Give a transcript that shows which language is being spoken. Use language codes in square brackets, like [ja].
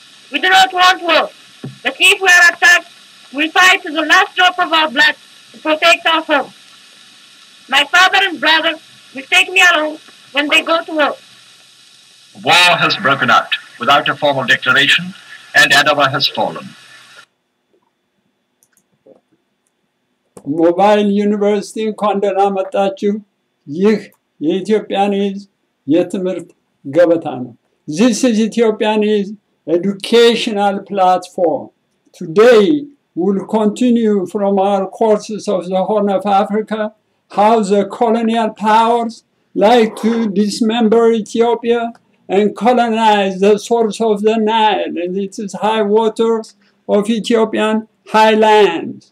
[en] We do not want war, but if we are attacked, we fight to the last drop of our blood to protect our home. My father and brother will take me along when they go to war. War has broken out without a formal declaration, and Addis has fallen. [am] ሞባይል ዩኒቨርሲቲ እንኳን ደህና መጣችሁ። ይህ የኢትዮጵያኒዝ የትምህርት ገበታ ነው። [en] This is Ethiopianese educational platform. Today we'll continue from our courses of the Horn of Africa, how the colonial powers like to dismember Ethiopia and colonize the source of the Nile and its high waters of Ethiopian highlands.